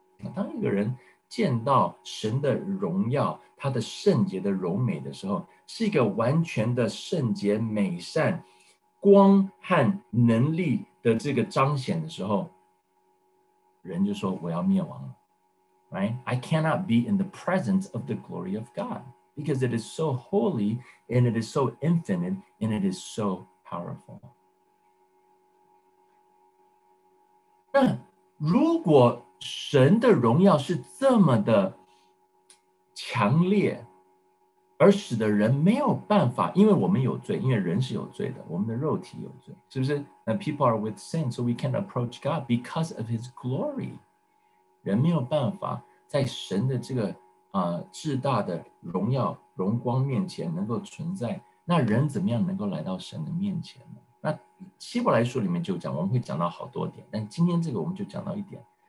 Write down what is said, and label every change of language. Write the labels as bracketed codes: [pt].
[zh] 当一个人见到神的荣耀，他的圣洁的柔美的时候，是一个完全的圣洁美善光和能力的这个彰显的时候，人就说我要灭亡了。 [en] Right? I cannot be in the presence of the glory of God because it is so holy and it is so infinite and it is so powerful. [zh] 那如果神的荣耀是这么的强烈，而使得人没有办法，因为我们有罪，因为人是有罪的，我们的肉体有罪，是不是？ [en] And people are with sin, so we can't approach God because of his glory. [zh] 人没有办法在神的这个至大的荣耀荣光面前能够存在，那人怎么样能够来到神的面前呢？那希伯来书里面就讲，我们会讲到好多点，但今天这个我们就讲到一点。